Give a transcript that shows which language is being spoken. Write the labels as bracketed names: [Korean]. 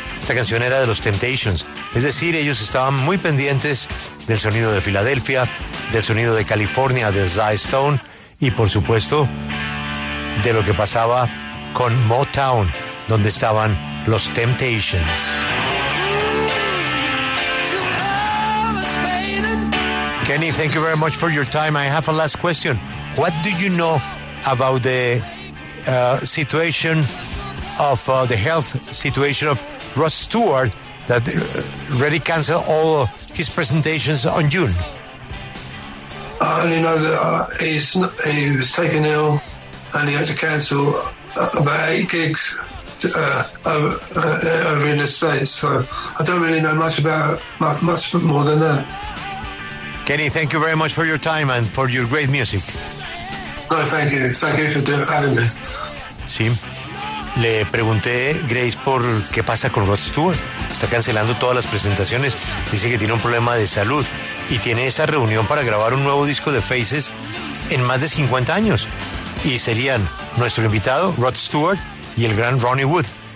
[Spanish] Esta canción era de los Temptations, es decir, ellos estaban muy pendientes del sonido de Filadelfia, del sonido de California, de Sly Stone y por supuesto de lo que pasaba con Motown, donde estaban los Temptations. [English] Kenny, thank you very much for your time. I have a last question. What do you know about the situation of the health situation of Rod Stewart, that already canceled all his presentations on June? I only know that he was taken ill and he had to cancel about 8 gigs over in the States. So I don't really know much more than that. Kenny, thank you very much for your time and for your great music. No, thank you. Thank you for having me. [Spanish] Sí. Le pregunté, Grace, por qué pasa con Rod Stewart. Está cancelando todas las presentaciones. Dice que tiene un problema de salud y tiene esa reunión para grabar un nuevo disco de Faces en más de 50 años. Y serían nuestro invitado, Rod Stewart, y el gran Ronnie Wood.